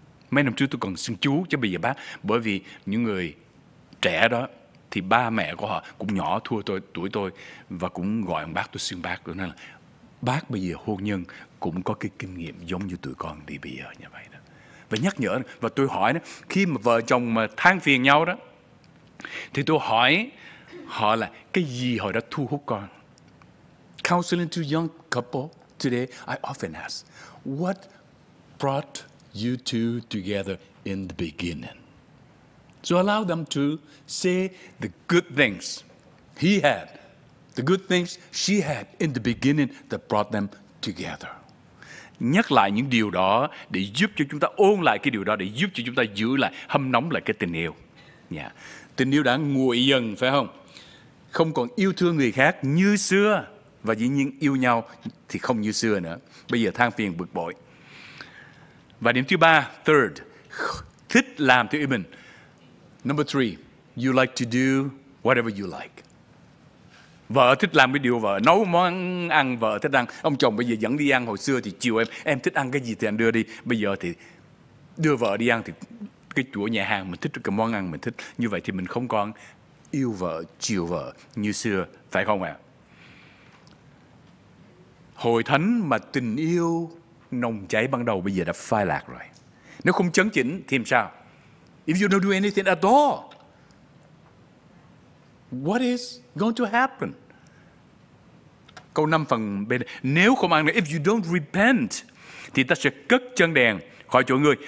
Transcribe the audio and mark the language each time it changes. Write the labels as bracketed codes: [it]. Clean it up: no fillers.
[vi] Mấy năm trước tôi còn xưng chú, chứ bây giờ bác. Bởi vì những người trẻ đó, thì ba mẹ của họ cũng nhỏ thua tôi, tuổi tôi, và cũng gọi bằng bác, tôi xưng bác. Tôi nói là bác bây giờ hôn nhân cũng có cái kinh nghiệm giống như tụi con đi bây giờ như vậy đó. Và nhắc nhở, và tôi hỏi đó, khi mà vợ chồng mà than phiền nhau đó, thì tôi hỏi họ là cái gì hồi đó thu hút con. [en] Counseling to young couple today, I often ask, what brought you two together in the beginning? So allow them to say the good things he had, the good things she had in the beginning that brought them together. [vi] Nhắc lại những điều đó để giúp cho chúng ta ôn lại cái điều đó, để giúp cho chúng ta giữ lại, hâm nóng lại cái tình yêu. Dạ. Tình yêu đã nguội dần, phải không? Không còn yêu thương người khác như xưa. Và dĩ nhiên yêu nhau thì không như xưa nữa. Bây giờ than phiền, bực bội. Và điểm thứ ba, third, thích làm theo ý mình. [en] Number three, you like to do whatever you like. [vi] Vợ thích làm cái điều vợ, nấu món ăn vợ thích ăn. Ông chồng bây giờ dẫn đi ăn, hồi xưa thì chiều em thích ăn cái gì thì anh đưa đi. Bây giờ thì đưa vợ đi ăn thì cái chủ nhà hàng mình thích, cái món ăn mình thích. Như vậy thì mình không còn yêu vợ, chiều vợ như xưa, phải không ạ? Hội thánh mà tình yêu nồng cháy ban đầu bây giờ đã phai lạc rồi. Nếu không chấn chỉnh thì làm sao? [en] If you don't do anything at all, what is going to happen? [vi] Câu 5 phần bên, nếu không ăn, [en] if you don't repent, [vi] thì ta sẽ cất chân đèn khỏi chỗ ngươi.